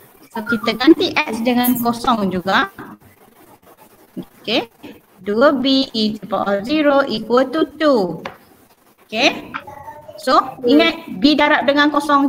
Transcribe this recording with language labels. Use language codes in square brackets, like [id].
[ms] So kita ganti X dengan kosong juga. Okay. [en] 2B e to the power of 0 equal to 2. Okay. [ms] So ingat B darab dengan kosong.